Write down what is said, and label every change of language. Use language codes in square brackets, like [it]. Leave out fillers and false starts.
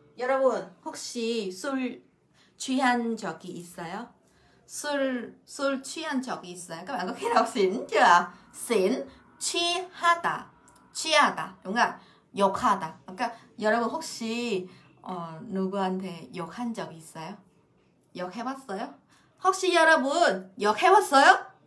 [ko] 여러분 혹시 술 취한 적이 있어요? 술 취한 적이 있어요? [vi] Các bạn có khi nào xỉn chưa? Xỉn, [ko] chiada, chiada, [vi] đúng không? [ko] 욕하다. 그러니까 여러분 혹시 누구한테 욕한 적 있어요? 욕해봤어요? 혹시 여러분 욕해봤어요?